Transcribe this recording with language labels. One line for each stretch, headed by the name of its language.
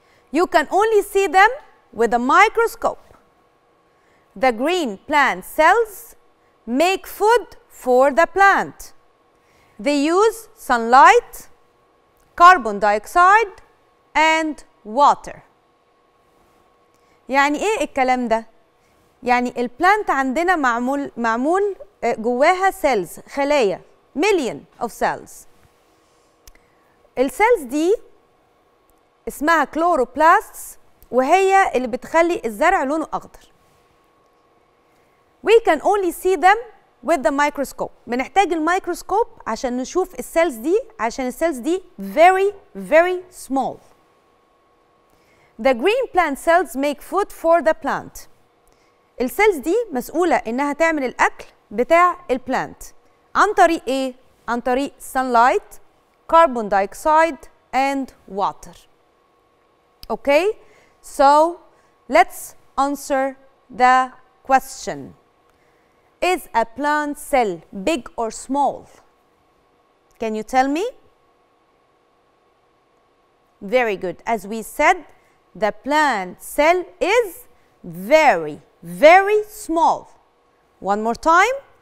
English: You can only see them with a microscope. The green plant cells make food for the plant. They use sunlight, carbon dioxide and water.
Arabic: يعني ايه الكلام ده؟ يعني البلانت عندنا معمول جواها سيلز خلايا
English: million of cells.
Arabic: السيلز دي اسمها كلوروبلاستس، وهي اللي بتخلي الزرع لونه أخضر.
English: We can only see them with the microscope.
Arabic: بنحتاج الميكروسكوب عشان نشوف السيلز دي، عشان السيلز دي
English: very very small. The green plant cells make food for the plant.
Arabic: السيلز دي مسؤولة إنها تعمل الأكل بتاع البلانت عن طريق إيه؟ عن طريق
English: sunlight, carbon dioxide and water. Okay, so let's answer the question. Is a plant cell big or small? Can you tell me? Very good. As we said, the plant cell is very, very small. One more time.